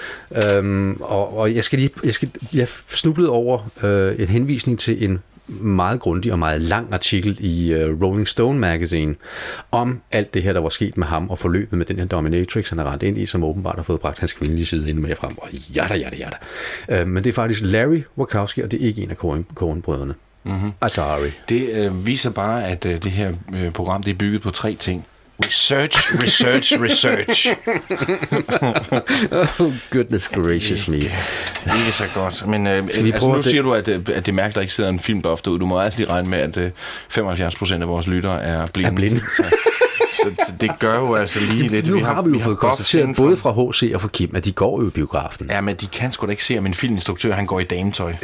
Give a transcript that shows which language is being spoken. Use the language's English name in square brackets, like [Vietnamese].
[Danish] Mm-hmm. Jeg snublede over en henvisning til en meget grundig og meget lang artikel i Rolling Stone Magazine om alt det her, der var sket med ham og forløbet med den her dominatrix, han er rent ind i, som åbenbart har fået bragt hans kvindelige side ind med frem. Og jada. Men det er faktisk Larry Wachowski, og det er ikke en af Coen-brødrene. Mm-hmm. Altså, det viser bare, at det her program, det er bygget på tre ting. Research, research, research. [English] Oh, goodness gracious me. [Danish] Ikke så godt. Men nu siger du, at det er mærkeligt, at der ikke sidder en filmbuff derude. Du må altså lige regne med, at 75% af vores lyttere er blinde. Er blinde. Så det gør jo altså lige det, lidt. Nu har vi jo konstateret, både fra HC og fra Kim, at de går jo i biografen. Ja, men de kan sgu da ikke se, om en filminstruktør han går i dametøj.